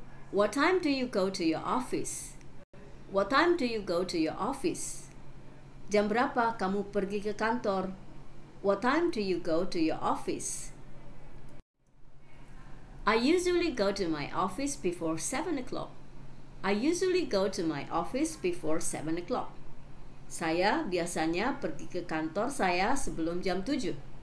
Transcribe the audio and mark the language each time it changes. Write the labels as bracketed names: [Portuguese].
[English] What time do you go to your office? What time do you go to your office? [Indonesian] Jam berapa kamu pergi ke kantor? [English] What time do you go to your office? I usually go to my office before 7 o'clock. I usually go to my office before 7 o'clock. [Indonesian] Saya biasanya pergi ke kantor saya sebelum jam 7.